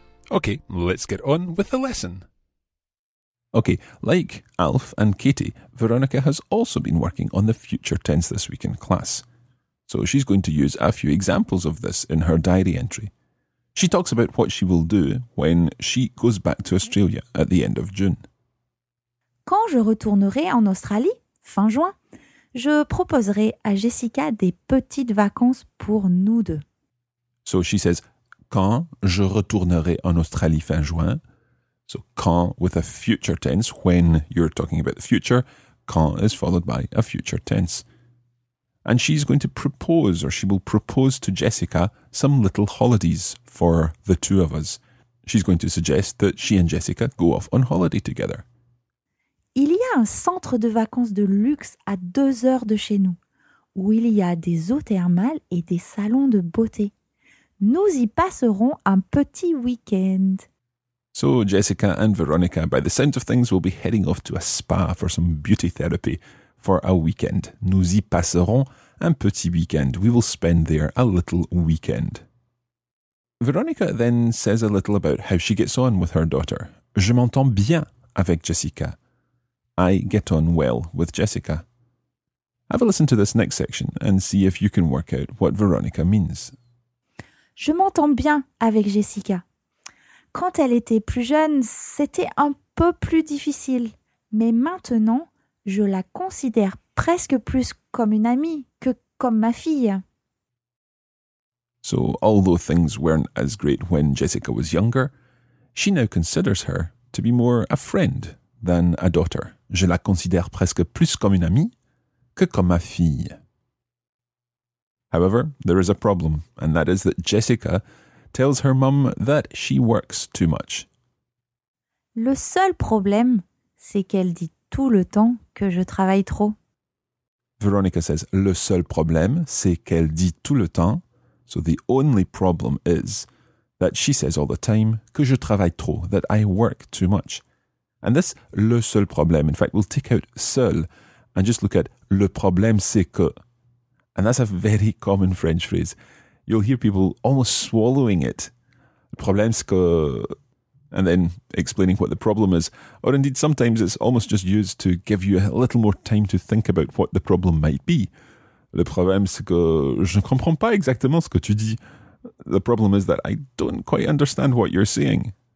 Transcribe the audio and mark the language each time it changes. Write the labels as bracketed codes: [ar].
[en] Okay, let's get on with the lesson. Okay, like Alf and Katie, Veronica has also been working on the future tense this week in class. So she's going to use a few examples of this in her diary entry. She talks about what she will do when she goes back to Australia at the end of June. [fr] Quand je retournerai en Australie, fin juin, je proposerai à Jessica des petites vacances pour nous deux. [en] So she says, [fr] quand je retournerai en Australie fin juin. [en] So quand with a future tense, when you're talking about the future, quand is followed by a future tense. And she's going to propose, or she will propose to Jessica, some little holidays for the two of us. She's going to suggest that she and Jessica go off on holiday together. [fr] Il y a un centre de vacances de luxe à 2 heures de chez nous, où il y a des eaux thermales et des salons de beauté. Nous y passerons un petit week-end. [en] So Jessica and Veronica, by the sound of things, will be heading off to a spa for some beauty therapy for a weekend. [fr] Nous y passerons un petit week-end. [en] We will spend there a little weekend. Veronica then says a little about how she gets on with her daughter. [fr] Je m'entends bien avec Jessica. [en] I get on well with Jessica. Have a listen to this next section and see if you can work out what Veronica means. [fr] Je m'entends bien avec Jessica. Quand elle était plus jeune, c'était un peu plus difficile. Mais maintenant, je la considère presque plus comme une amie que comme ma fille. [en] So, although things weren't as great when Jessica was younger, she now considers her to be more a friend than a daughter. [fr] Je la considère presque plus comme une amie que comme ma fille. [en] However, there is a problem, and that is that Jessica tells her mum that she works too much. [fr] Le seul problème, c'est qu'elle dit tout le temps que je travaille trop. [en] Veronica says, [fr] le seul problème, c'est qu'elle dit tout le temps. [en] So the only problem is that she says all the time [fr] que je travaille trop, [en] that I work too much. And this, le seul problème, in fact, we'll take out seul and just look at [fr] le problème, c'est que. [en] And that's a very common French phrase. You'll hear people almost swallowing it. [fr] Le problème c'est que... [en] And then explaining what the problem is. Or indeed, sometimes it's almost just used to give you a little more time to think about what the problem might be. [fr] Le problème c'est que je ne comprends pas exactement ce que tu dis. [en] The problem is that I don't quite understand what you're saying.